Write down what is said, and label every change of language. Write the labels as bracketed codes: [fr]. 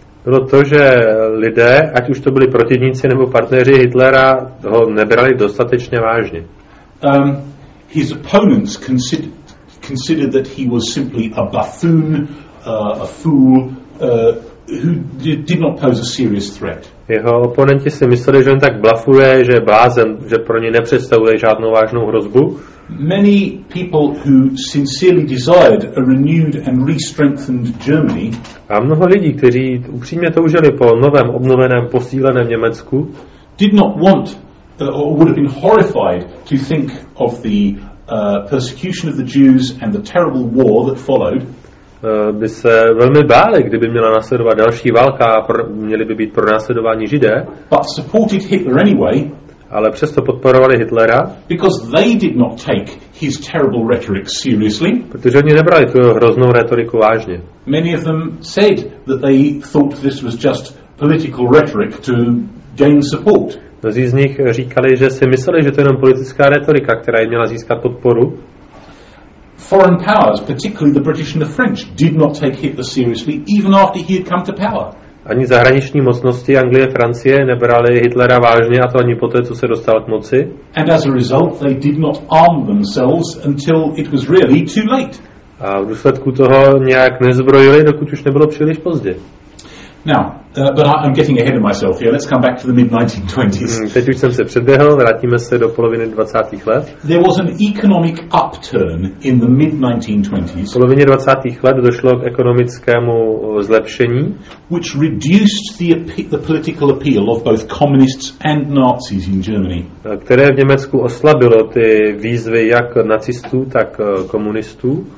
[cs] Bylo to, že lidé, ať už to byli protivníci nebo partneři Hitlera, ho nebrali dostatečně vážně. [en] His opponents considered that he was simply a buffoon, a fool, who did not pose a serious threat. [cs] Jeho oponenti si mysleli, že on tak blafuje, že je blázen, že pro ně nepředstavuje žádnou vážnou hrozbu. [en] Many people who sincerely desired a renewed and re-strengthened Germany. [cs] A mnoho lidí, kteří upřímně toužili po novém, obnoveném, posíleném Německu, [en] did not want, or would have been horrified to think of the persecution of the Jews and the terrible war that followed. [cs] By se velmi báli, kdyby měla následovat další válka a měli by být pronásledováni Židé. [en] But supported Hitler anyway. [cs] Ale přesto podporovali Hitlera. [en] Because they did not take his terrible rhetoric seriously. [cs] Protože oni nebrali tu hroznou retoriku vážně. [en] Many of them said that they thought this was just political rhetoric to gain support. [cs] Mnozí z nich říkali, že si mysleli, že to je jenom politická retorika, která jim měla získat podporu. [en] Foreign powers, particularly the British and the French, did not take Hitler seriously even after he had come to power. [cs] Ani zahraniční mocnosti Anglie a Francie nebrali Hitlera vážně, a to ani poté, co se dostal k moci. [en] And as a result, they did not arm themselves until it was really too late. [cs] A v důsledku toho nějak nezbrojili, dokud už nebylo příliš pozdě. [en] Now, but I'm getting ahead of myself here. Let's come back to the mid-1920s. [cs] Teď už jsem se předběhl, vrátíme se do poloviny 20. let. [en] There was an economic upturn in the mid-1920s. [cs] V polovině 20. let došlo k ekonomickému zlepšení, [en] which reduced the political appeal of both communists and Nazis in Germany. [cs] Které v Německu oslabilo ty výzvy jak nacistů, tak komunistů.